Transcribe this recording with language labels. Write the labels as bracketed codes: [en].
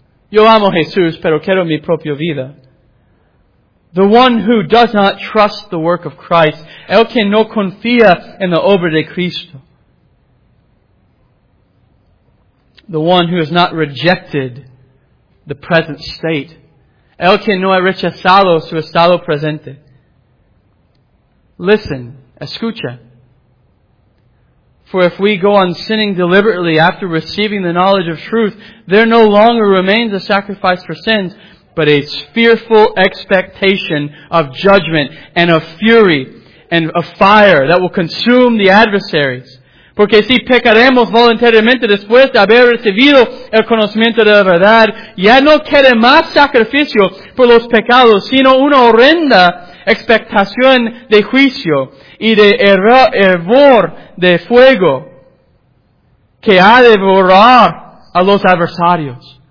[es] Yo amo Jesús, pero quiero mi propia vida. [en] The one who does not trust the work of Christ. [es] El que no confía en la obra de Cristo. [en] The one who has not rejected the present state. [es] El que no ha rechazado su estado presente. [en] Listen, [es] escucha. [en] For if we go on sinning deliberately after receiving the knowledge of truth, there no longer remains a sacrifice for sins, but a fearful expectation of judgment and of fury and of fire that will consume the adversaries. [es] Porque si pecaremos voluntariamente después de haber recibido el conocimiento de la verdad, ya no queda más sacrificio por los pecados, sino una horrenda expectación de juicio y de hervor de fuego que ha de devorar a los adversarios.